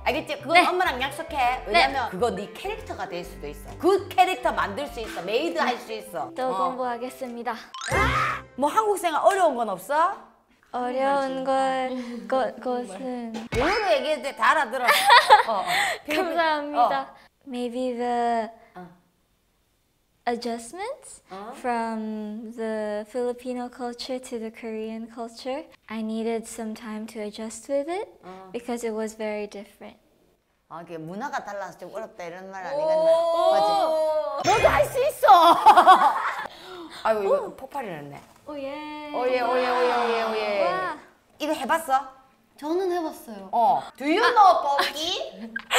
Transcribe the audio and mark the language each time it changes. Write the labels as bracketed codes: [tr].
[ko] 알겠지? 그건 네. 엄마랑 약속해. 왜냐면 네. 그거 네 캐릭터가 될 수도 있어. 그 캐릭터 만들 수 있어. 메이드 네. 할 수 있어. 더 공부하겠습니다. 뭐 한국 생활 어려운 건 없어? 어려운 것은 영어로 얘기해도 돼. 다 알아들어. 감사합니다. 어. [en] Maybe the adjustments from the Filipino culture to the Korean culture. I needed some time to adjust with it because it was very different. [ko] 아, 이게 문화가 달라서 좀 어렵다 이런 말 아니겠나? 맞지? 너도 할 수 있어. 아이고 이거 폭발이 났네. 오예. 오예. 이거 해봤어? 저는 해봤어요. [en] 어. Do you know 뽑기?